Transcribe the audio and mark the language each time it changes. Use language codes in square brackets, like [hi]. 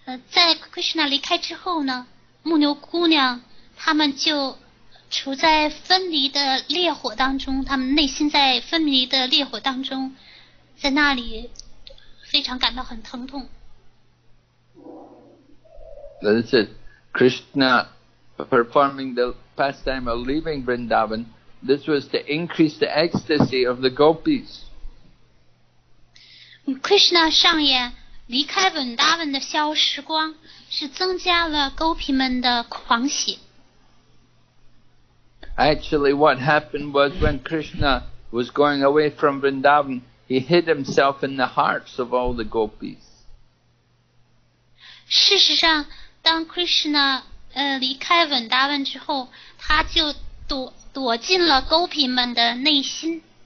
[zh] 在 Krishna 离开之后呢，牧牛姑娘他们就处在分离的烈火当中，他们内心在分离的烈火当中，在那里非常感到很疼痛。 [en] This is Krishna performing the pastime of leaving Vrindavan. This was to increase the ecstasy of the gopis. [zh] Krishna 上演。离开文达文的消时光是增加了勾皮们的狂喜。 [en] Actually, what happened was when Krishna was going away from Vrindavan, he hid himself in the hearts of all the gopis. [zh] 事实上当 Krishna, 离开文达文之后他就 躲进了勾皮们的内心。